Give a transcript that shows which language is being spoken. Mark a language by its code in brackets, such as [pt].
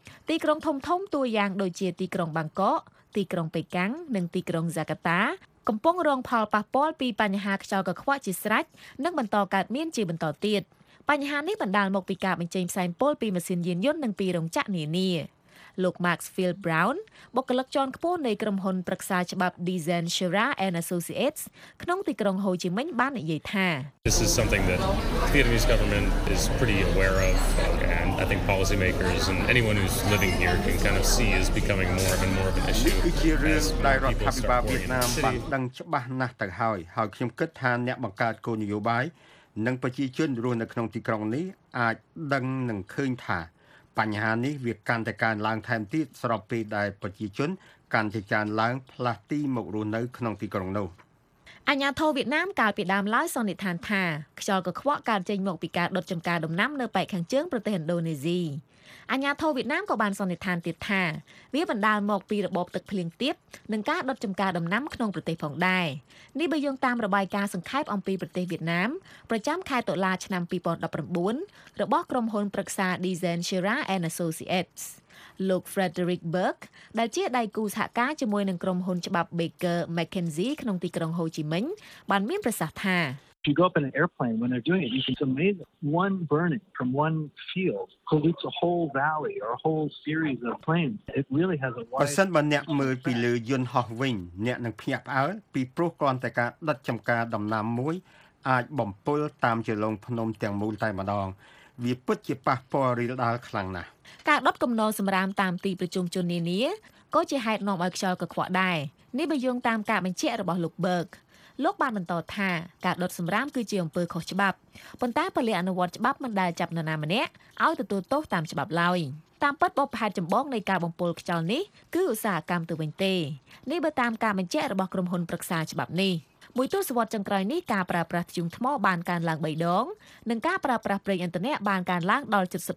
[km] ទីក្រុងធំៗតួយ៉ាងដូចជាទីក្រុងបាងកកទីក្រុងប៉េកាំងនិងទីក្រុងហ្សាកាតាកំពុងរងផលប៉ះពាល់ពីបញ្ហាខ្យល់កខ្វក់ជាស្រេចនិងបន្តកើតមានជាបន្តទៀតបញ្ហានេះបណ្ដាលមកពីការបញ្ចេញផ្សែងពុលពីម៉ាស៊ីនយានយន្តនិងពីរោងចក្រនានាលោក Max Field Brown បុគ្គលិកជាន់ខ្ពស់នៃក្រុមហ៊ុនប្រឹក្សាច្បាប់ Design Shira and Associates ក្នុងទីក្រុង Ho Chi Minh បាននិយាយថា [en] This is something that the Vietnamese government is pretty aware of and I think policymakers and anyone who's living here can kind of see is becoming more and more of an issue. [km] ពីជារឿងដែលរដ្ឋាភិបាលវៀតណាមបានដឹងច្បាស់ណាស់ទៅហើយហើយខ្ញុំគិតថាអ្នកបង្កើតគោលនយោបាយនិងប្រជាជនរស់នៅក្នុងទីក្រុងនេះអាចដឹងនិងឃើញថាបញ្ហានេះវាកាន់តែកើនឡើងថែមទៀតស្របពេលដែលប្រជាជនកាន់តែច្រើនឡើងផ្លាស់ទីមករស់នៅក្នុងទីក្រុងនោះ អាញាធរវៀតណាមកាលពីដើមឡើយសន្និដ្ឋានថាខ្យល់កខ្វក់កើតចេញមកពីការដុតចម្ការដំណាំនៅប៉ែកខាងជើងប្រទេសឥណ្ឌូនេស៊ី អាញាធរវៀតណាមក៏បានសន្និដ្ឋានទៀតថាវាបណ្ដាលមកពីរបបទឹកភ្លៀងទាបនិងការដុតចម្ការដំណាំក្នុងប្រទេសផងដែរនេះបើយោងតាមរបាយការណ៍សង្ខេបអំពីប្រទេសវៀតណាមប្រចាំខែតុលាឆ្នាំ2019របស់ក្រុមហ៊ុនប្រឹក្សា Design Shira and Associates លោក Frederick Burke ដែលជាដៃគូសហការជាមួយនឹងក្រុមហ៊ុនច្បាប់ Baker McKenzie ក្នុងទីក្រុង Ho Chi Minh បានមានប្រសាសន៍ថា [en] You go up in an airplane when they're doing it, you can see amazing. One burning from one field pollutes a whole valley or a whole series of planes. It really has a wide... [km] បើសិនបើអ្នកមើលពីលើយន្តហោះវិញអ្នកនឹងភ្ញាក់ផ្អើលពីព្រោះគ្រាន់តែការដុតចម្ការដំណាំមួយអាចបំពុលតាមជាលងភ្នំទាំងមូលតែម្ដងវាពិតជាប៉ះពាល់រីលដាល់ខ្លាំងណាស់ការដុតកំណរសម្រាមតាមទីប្រជុំជននានាក៏ជាហេតុនាំឲ្យខ្យល់កខ្វក់ដែរនេះបើយោងតាមការបញ្ជាក់របស់លោកបឺកលោកបានបន្តថាការដុតសម្រាមគឺជាអំពើខុសច្បាប់ប៉ុន្តែពលិអនុវត្តច្បាប់មិនដែលចាប់នរណាម្នាក់ឲ្យទទួលទោសតាមច្បាប់ឡើយតាមពិតបបផែនចម្បងនៃការបំពុលខ្យល់នេះគឺឧស្សាហកម្មទៅវិញទេនេះបើតាមការបញ្ជាក់របស់ក្រុមហ៊ុនប្រឹក្សាច្បាប់នេះមួយទស្សវត្សចុងក្រោយនេះការប្រើប្រាស់ធ្យូងថ្មបានកើនឡើង3ដងនិងការប្រើប្រាស់ប្រេងឥន្ធនៈបានកើនឡើងដល់